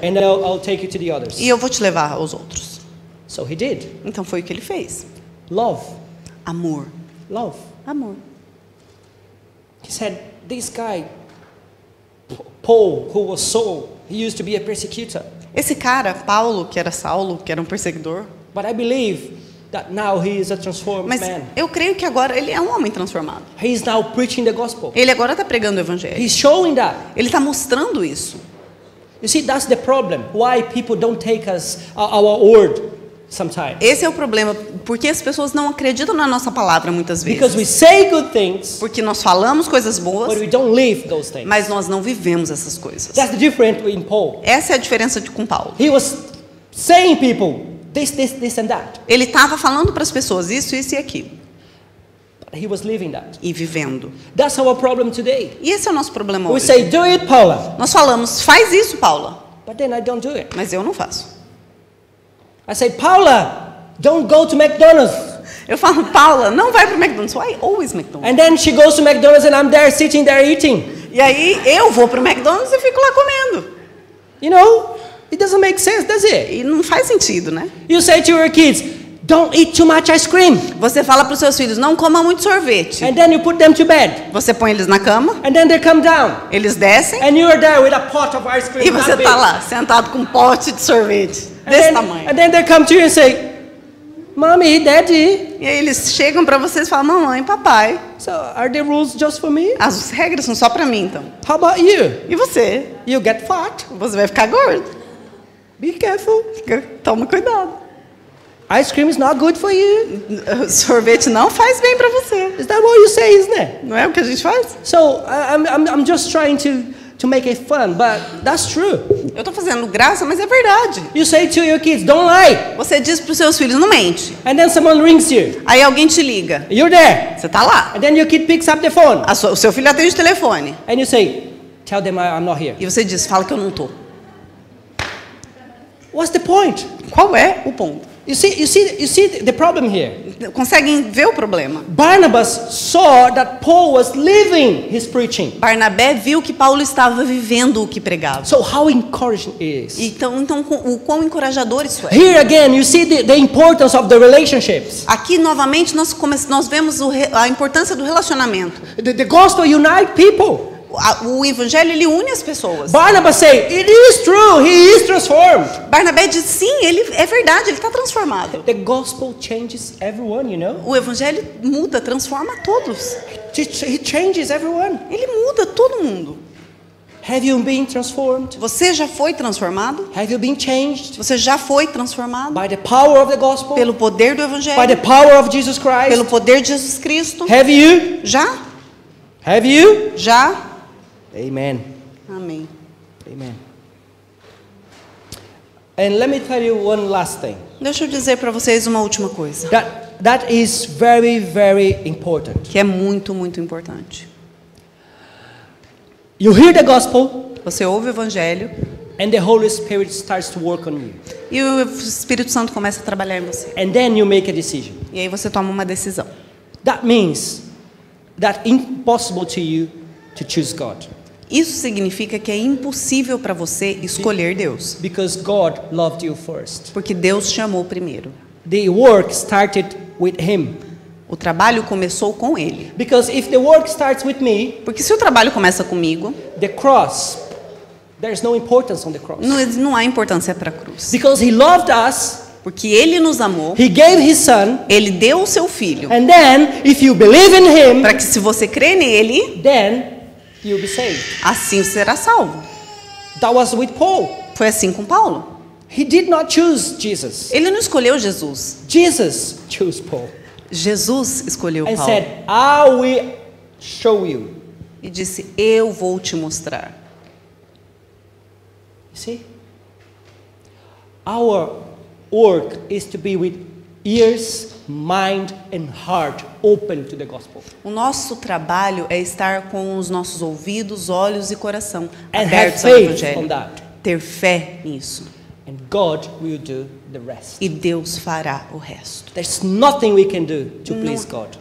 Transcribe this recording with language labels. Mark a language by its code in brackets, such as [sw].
[en] And I'll take you to the others. [pt] E eu vou te levar aos outros. [en] So he did. [pt] Então foi o que ele fez. [en] Love. [pt] Amor. [en] Love. [pt] Amor. [en] He said, "This guy, Paul, who was Saul, he used to be a persecutor." [pt] Esse cara, Paulo, que era Saulo, que era um perseguidor. [en] But I believe that now he is a transformed [pt] man. Mas eu creio que agora ele é um homem transformado. [en] He is now preaching the gospel. [pt] Ele agora está pregando o evangelho. [en] He's showing that. [pt] Ele está mostrando isso. [en] You see, that's the problem. Why people don't take us our word? Sometimes. [pt] Esse é o problema, porque as pessoas não acreditam na nossa palavra muitas vezes. [en] Because we say good things, [pt] porque nós falamos coisas boas, [en] but we don't live those things. [pt] Mas nós não vivemos essas coisas. [en] That's the difference between Paul. [pt] Essa é a diferença com Paulo. [en] He was saying people this, this, this and that. [pt] Ele estava falando para as pessoas isso, isso e aquilo. [en] But he was living that. [pt] E vivendo. [en] That's our problem today. [pt] E esse é o nosso problema [en] we [pt] hoje. [en] Say, do it, Paula. [pt] Nós falamos, faz isso, Paula. [en] But then I don't do it. [pt] Mas eu não faço. [en] I say, Paula, don't go to McDonald's. [pt] Eu falo, Paula, não vai pro McDonald's. [en] Why always McDonald's? And then she goes to McDonald's and I'm there sitting there eating. [pt] E aí eu vou pro McDonald's e fico lá comendo. [en] You know, it doesn't make sense, does it? [pt] E não faz sentido, né? [en] You say to your kids, don't eat too much ice cream. [pt] Você fala pros seus filhos, não coma muito sorvete. [en] And then you put them to bed. [pt] Você põe eles na cama. [en] And then they come down. [pt] Eles descem. [en] And you are there with a pot of ice cream. [pt] E você tá lá sentado com um pote de sorvete. [en] And then they come to you and say, "Mommy, Daddy." [pt] E aí eles chegam para vocês e falam, "Mamãe, papai." [en] So are the rules just for me? [pt] As regras são só para mim, então. [en] How about you? [pt] E você? [en] You get fat. [pt] Você vai ficar gordo. [en] Be careful. [pt] Toma cuidado. [en] Ice cream is not good for you. [pt] Sorvete não faz bem para você. [en] Is that what you say, isn't it? [pt] Não é o que a gente faz? [en] So I'm just trying to make it fun, but that's true. [pt] Eu tô fazendo graça, mas é verdade. [en] You say to your kids, "Don't lie." [pt] Você diz pros seus filhos, não mente. [en] And then someone rings you. [pt] Aí alguém te liga. [en] You're there. [pt] Você tá lá. [en] And then your kid picks up the phone. [pt] O seu filho atende o telefone. [en] And you say, "Tell them I'm not here." [pt] E você diz, fala que eu não tô. [en] What's the point? [pt] Qual é o ponto? [en] You see the problem here. [pt] Conseguem ver o problema? [en] Barnabas saw that Paul was living his preaching. [pt] Barnabé viu que Paulo estava vivendo o que pregava. [en] So how encouraging is? [pt] Então o quão encorajador isso é? [en] Here again, you see the importance of the relationships. [pt] Aqui novamente nós vemos a importância do relacionamento. [en] The gospel unites people. [pt] O evangelho ele une as pessoas. [en] Barnabas say, "It is true, he is transformed." [pt] Barnabé diz, sim, ele é verdade, ele está transformado. [en] The gospel changes everyone, you know? [pt] O evangelho muda, transforma todos. [en] He changes everyone. [pt] Ele muda todo mundo. [en] Have you been transformed? [pt] Você já foi transformado? [en] Have you been changed? [pt] Você já foi transformado? [en] By the power of the gospel? [pt] Pelo poder do evangelho? [en] By the power of Jesus Christ? [pt] Pelo poder de Jesus Cristo? [en] Have you? [pt] Já? [en] Have you? [pt] Já? [en] Amen. [pt] Amém. [en] Amen. And let me tell you one last thing. [pt] Deixa eu dizer para vocês uma última coisa. [en] That is very, very important. [pt] Que é muito, muito importante. [en] You hear the gospel. [pt] Você ouve o evangelho. [en] And the Holy Spirit starts to work on you. [pt] E o Espírito Santo começa a trabalhar em você. [en] And then you make a decision. [pt] E aí você toma uma decisão. [en] That means that impossible to you to choose God. [pt] Isso significa que é impossível para você escolher Deus. [en] Because God loved you first. [pt] Porque Deus te amou primeiro. [en] The work started with him. [pt] O trabalho começou com ele. [en] Because if the work starts with me, [pt] porque se o trabalho começa comigo, [en] the cross, there's no importance on the cross. [pt] Não há importância para a cruz. [en] Because he loved us. [pt] Porque ele nos amou. [en] He gave his son. [pt] Ele deu o seu filho. [en] And then if you believe in him, [pt] para que se você crê nele, [en] then you'll be saved. [pt] Assim você será salvo. [en] That was with Paul. [pt] Foi assim com Paulo. [en] He did not choose Jesus. [pt] Ele não escolheu Jesus. [en] Jesus chose Paul. [pt] Jesus escolheu [en] and [pt] Paulo. [en] Said, "I will show you." [pt] E disse, "Eu vou te mostrar." [en] You see? Our work is to be with ears, mind and heart open to the gospel. [pt] O nosso trabalho é estar com os nossos ouvidos, olhos e coração [en] and [pt] abertos [en] have faith [pt] ao evangelho. [en] On that. [pt] Ter fé nisso. [en] And God will do the rest. [pt] E Deus fará o resto. [en] There's nothing we can do to please God.